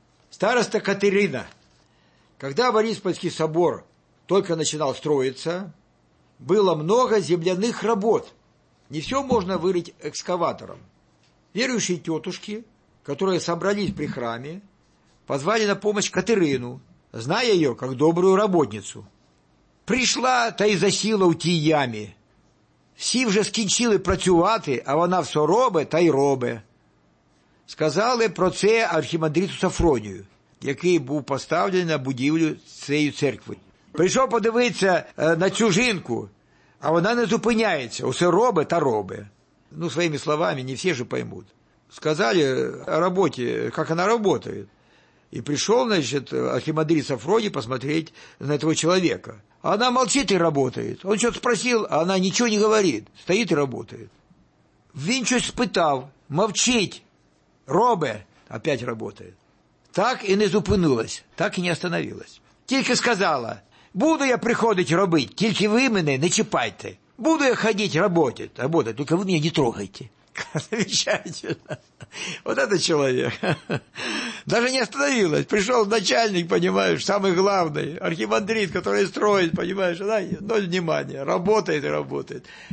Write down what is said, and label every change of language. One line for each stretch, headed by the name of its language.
Russian: Староста Катерина, когда Бориспольский собор только начинал строиться, было много земляных работ. Не все можно вырыть экскаватором. Верующие тетушки, которые собрались при храме, позвали на помощь Катерину, зная ее как добрую работницу.
Ukrainian: Пришла та и засила у ті ями. Всі вже скінчили працювати, а вона все робе та й робе. Сказали про це архімандриту Сафронію, який був поставлений на будівлю цієї церкви. Прийшов подивитися на цю жінку, а вона не зупиняється, усе робе та робе. Ну, своїми словами, не всі ж поймуть. Сказали о роботі, як вона працює.
Russian: И пришел, значит, архимандрит Сафроний посмотреть на этого человека. Она молчит и работает. Он что-то спросил, а она ничего не говорит. Стоит и работает. Він щось спитав. Мовчить. Робе. Опять работает. Так и не зупинилась. Так и не остановилась.
Ukrainian: Тільки сказала, буду я приходить робить, тільки ви мене не чіпайте.
Russian: Буду я ходить работать, работать, только вы меня не трогайте. Замечательно. Вот этот человек. Даже не остановилась. Пришел начальник, понимаешь, самый главный, архимандрит, который строит, понимаешь, она ноль внимания, работает и работает.